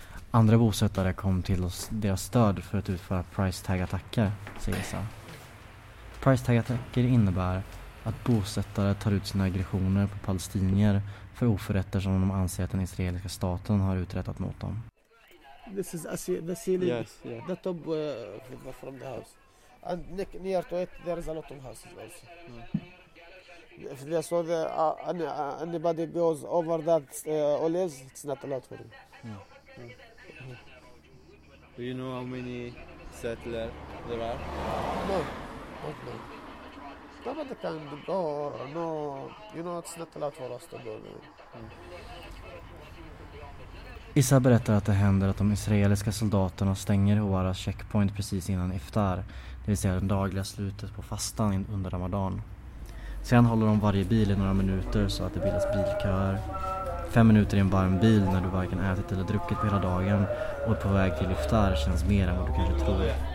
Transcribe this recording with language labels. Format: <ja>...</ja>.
<sv>Andra bosättare kom till oss deras stöd för att utföra price tag-attacker, säger Issa. Price tag-attacker innebär att bosättare tar ut sina aggressioner på palestinier för oförrätter som de anser att den israeliska staten har uträttat mot dem.</sv> <en>This is the ceiling, the top from the house. And near to it there is a lot of houses also. If there so the anybody goes over that always it's not a lot for them. Do you know how many settlers there are? No, not many. Nobody can go, no, you know, it's not allowed for us to go.</en> <sv>Issa berättar att det händer att de israeliska soldaterna stänger Huaras checkpoint precis innan iftar, det vill säga det dagliga slutet på fastan under ramadan. Sen håller de varje bil i några minuter så att det bildas bilköer. 5 minuter i en varm bil när du varken ätit eller druckit på hela dagen och på väg till iftar känns mer än vad du kanske tror.</sv>